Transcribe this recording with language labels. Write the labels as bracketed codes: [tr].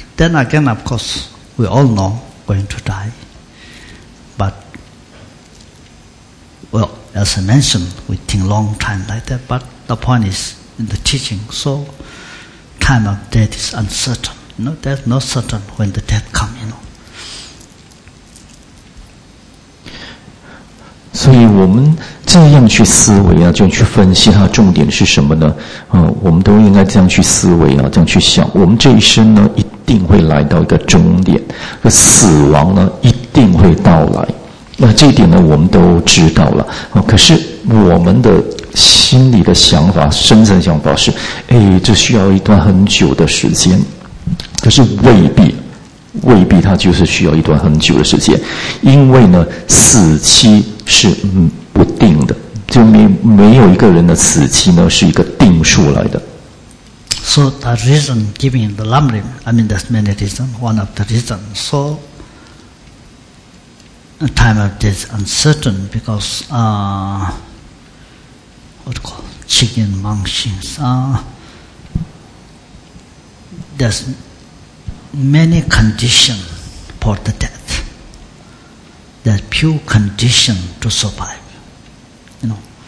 [en] Then again, of course, we all know going to die. But, well, as I mentioned, we think long time like that, but the point is in the teaching, so time of death is uncertain. You know, there's no certain when the death comes, you know. [zh] 所以我们这样去思维啊，这样去分析它重点是什么呢？我们都应该这样去思维啊，这样去想，我们这一生呢一定会来到一个终点，而死亡呢一定会到来。那这一点呢我们都知道了，可是我们的心里的想法，深层想法是，这需要一段很久的时间，可是未必它就是需要一段很久的时间，因为呢死期是不定的，就没有一个人的死期呢是一个定数来的。 [en] So the reason giving the lamrim, I mean there's many reasons, one of the reasons, so the time of death is uncertain because what call chicken monkeys, there's many conditions for the deathThere's few condition to survive, you know.